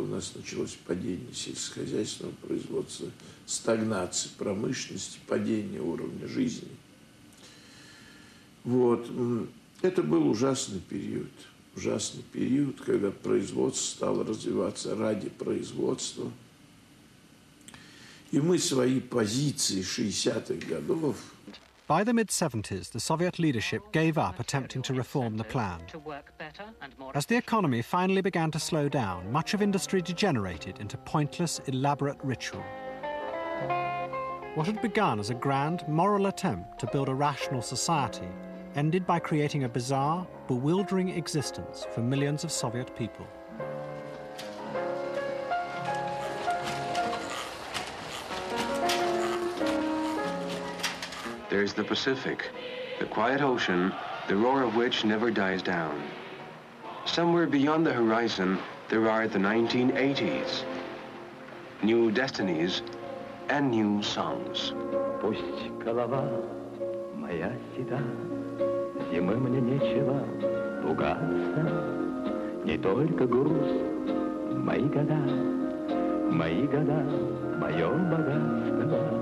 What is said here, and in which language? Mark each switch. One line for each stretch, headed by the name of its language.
Russian: У нас началось падение сельскохозяйственного производства, стагнация промышленности, падение уровня жизни. Вот. Это был ужасный период. Ужасный период, когда производство стало развиваться ради производства. И мы свои позиции 60-х годов...
English: By the mid-70s, the Soviet leadership gave up attempting to reform the plan. As the economy finally began to slow down, much of industry degenerated into pointless, elaborate ritual. What had begun as a grand, moral attempt to build a rational society ended by creating a bizarre, bewildering existence for millions of Soviet people. There is the Pacific, the quiet ocean, the roar of which never dies down. Somewhere beyond the horizon, there are the 1980s. New destinies and new songs.
Russian: Пусть голова моя седа, зимы мне нечего пугаться, не только груз, мои года, мое богатство.